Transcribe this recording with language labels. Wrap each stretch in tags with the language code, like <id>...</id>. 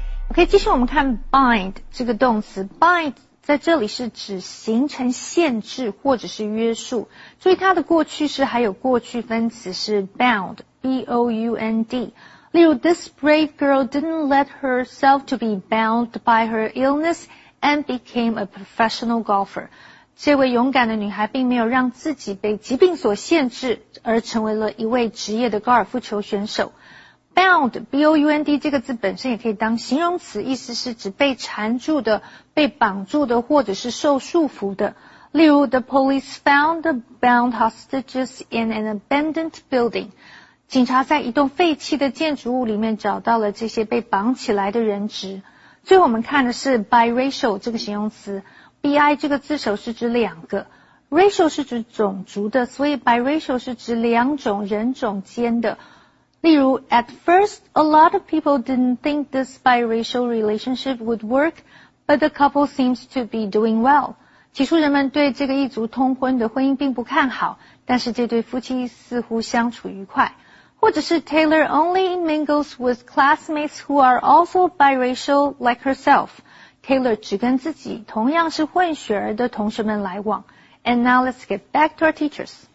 <zh>Okay, 继续我们看 bind 这个动词 bind. 在这里是指形成限制或者是约束，注意它的过去式还有过去分词是 bound, B-O-U-N-D。</zh> <en>例如 ,this brave girl didn't let herself to be bound by her illness and became a professional golfer.</en> <zh>这位勇敢的女孩并没有让自己被疾病所限制而成为了一位职业的高尔夫球选手。 Bound, B-O-U-N-D 这个字本身也可以当形容词，意思是指被缠住的、被绑住的或者是受束缚的。</zh> <en>例如 ,the police found the bound hostages in an abandoned building.</en> <zh>警察在一栋废弃的建筑物里面找到了这些被绑起来的人质。最后我们看的是 biracial 这个形容词 ,bi 这个字首是指两个。 racial 是指种族的，所以 biracial 是指两种人种间的。</zh> <en>例如 ,at first, a lot of people didn't think this biracial relationship would work, but the couple seems to be doing well.</en> <zh>起初人们对这个一族通婚的婚姻并不看好，但是这对夫妻似乎相处愉快。</zh> <en>或者是 Taylor only mingles with classmates who are also biracial like herself.</en> <zh>Taylor 只跟自己同样是混血儿的同学们来往。</zh> <en>And now let's get back to our teachers.</en>